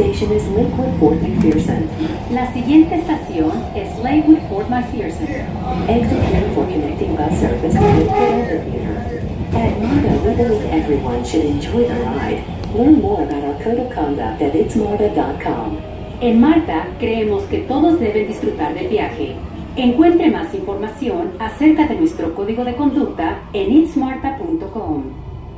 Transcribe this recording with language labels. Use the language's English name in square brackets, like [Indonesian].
[Spanish] Is Lakewood Fort McPherson. La siguiente estación es Lakewood Fort McPherson. [English] Exit here for connecting bus service to the theater. At MARTA, we believe everyone should enjoy the ride. Learn more about our code of conduct at itsmarta.com. [Spanish] En MARTA, creemos que todos deben disfrutar del viaje. Encuentre más información acerca de nuestro código de conducta en itsmarta.com.